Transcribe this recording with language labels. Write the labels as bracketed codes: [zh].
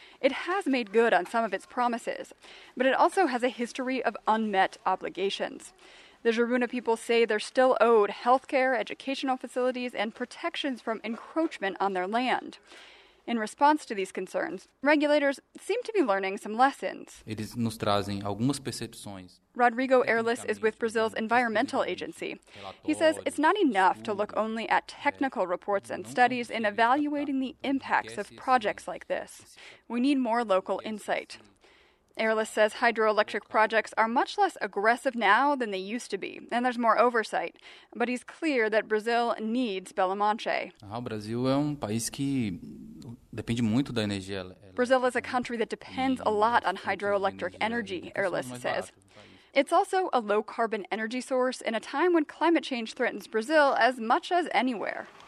[en] It has made good on some of its promises, but it also has a history of unmet obligations. The Giruna people say they're still owed healthcare, educational facilities, and protections from encroachment on their land. In response to these concerns, regulators seem to be learning some lessons. [pt] Eles nos trazem algumas percepções. [en] Rodrigo Erlis is with Brazil's environmental agency. He says it's not enough to look only at technical reports and studies in evaluating the impacts of projects like this. We need more local insight. Erlis says hydroelectric projects are much less aggressive now than they used to be, and there's more oversight. But he's clear that Brazil needs Belo Monte. [pt] Brazil é país que depende muito da energia. [en] Brazil is a country that depends a lot on hydroelectric energy, Erlis says. It's also a low-carbon energy source in a time when climate change threatens Brazil as much as anywhere.